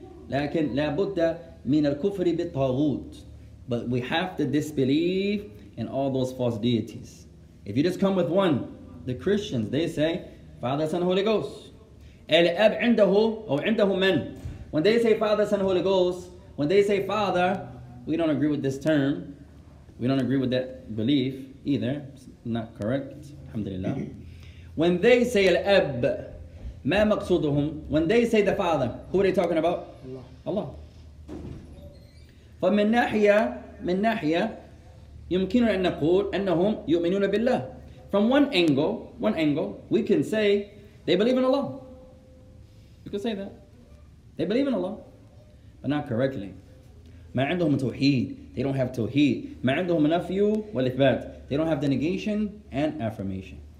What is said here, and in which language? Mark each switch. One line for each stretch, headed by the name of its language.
Arabic: لكن لا بد من الكفر بالطاغوت.
English: But we have to disbelieve in all those false deities. If you just come with one, the Christians, they say, Father, Son, Holy Ghost.
Arabic: Al-Ab عنده أو عنده من.
English: When they say Father, Son, Holy Ghost, when they say Father, we don't agree with this term. We don't agree with that belief either. It's not correct. Alhamdulillah. When they say Al-Ab,
Arabic: ما مقصودهم.
English: When they say the Father, who are they talking about? Allah.
Arabic: ومن ناحية من ناحية يمكننا أن نقول أنهم يؤمنون بالله.
English: From one angle, we can say they believe in Allah. You can say that. They believe in Allah, but not correctly.
Arabic: ما عندهم توحيد.
English: They don't have
Arabic: توحيد. ما عندهم نفي والإثبات.
English: They don't have the negation and affirmation.